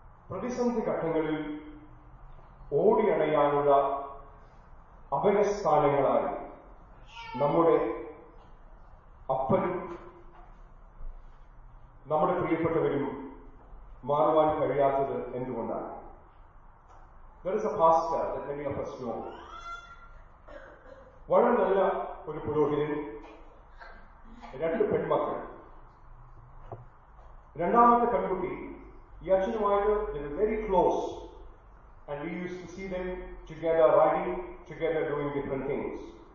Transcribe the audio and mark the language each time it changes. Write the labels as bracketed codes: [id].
[ml] പ്രതിസന്ധി ഘട്ടങ്ങളിൽ ഓടിയണയാനുള്ള അപരസ്ഥാനങ്ങളായി നമ്മുടെ അപ്പനും നമ്മുടെ പ്രിയപ്പെട്ടവരും മാറുവാൻ കഴിയാത്തത് എന്തുകൊണ്ടാണ്? [en] There is a pastor that many of us know. [ml] വളരെ നല്ല ഒരു പുരോഹിതൻ, രണ്ട് പെൺമക്കൾ. രണ്ടാമത്തെ പെൺകുട്ടി ഈ അച്ഛനുമായിട്ട് [en] Very close, and we use to see them together riding, together doing different things.